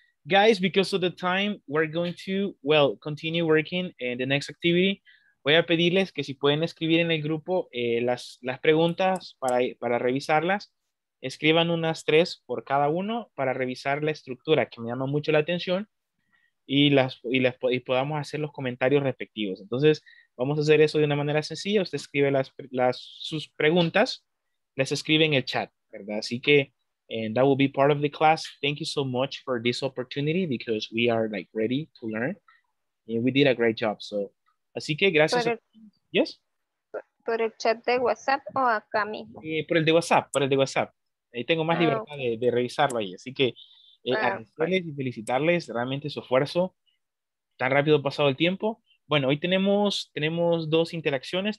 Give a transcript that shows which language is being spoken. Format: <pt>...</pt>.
<en>Guys, because of the time, we're going to, well, continue working in the next activity.</en> <es>Voy a pedirles que si pueden escribir en el grupo las preguntas para revisarlas. Escriban unas tres por cada uno para revisar la estructura, que me llama mucho la atención, y podamos hacer los comentarios respectivos. Entonces, vamos a hacer eso de una manera sencilla. Usted escribe sus preguntas, las escribe en el chat, ¿verdad? Así que,</es> <en>and that will be part of the class. Thank you so much for this opportunity because we are like ready to learn. And we did a great job. So,</en> <es>así que gracias.</es> <en>Yes?</en> <es>Por el chat de WhatsApp o acá mismo. Por el de WhatsApp, por el de WhatsApp. Ahí tengo más libertad de revisarlo ahí. Así que agradecerles y felicitarles realmente su esfuerzo. Tan rápido pasado el tiempo. Bueno, hoy tenemos dos interacciones.</es>